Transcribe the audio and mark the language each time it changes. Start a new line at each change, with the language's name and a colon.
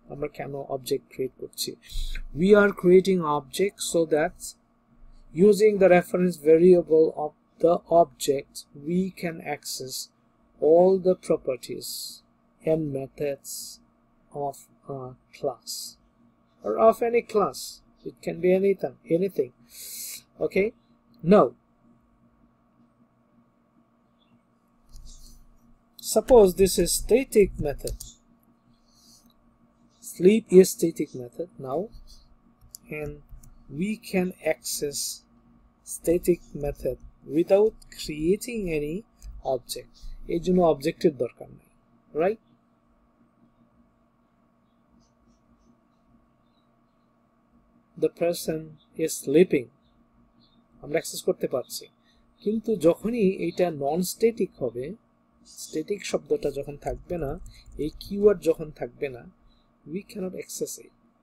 Bangla: আমরা কেন object create করছি?
English: We are creating object so that using the reference variable of the object we can access all the properties and methods of a class or of any class, it can be anything. Okay, now suppose this is static method, sleep is static method now, and we can access static method without creating any object.
Bangla: এর জন্য অবজেক্টের দরকার নেই, right?
English: The person is sleeping,
Bangla: আমরা access করতে পারছি, কিন্তু যখনই এটা নন স্ট্যাটিক হবে, স্ট্যাটিক শব্দটা যখন থাকবে না, এই কিওয়ার্ড যখন থাকবে না,
English: We cannot access it.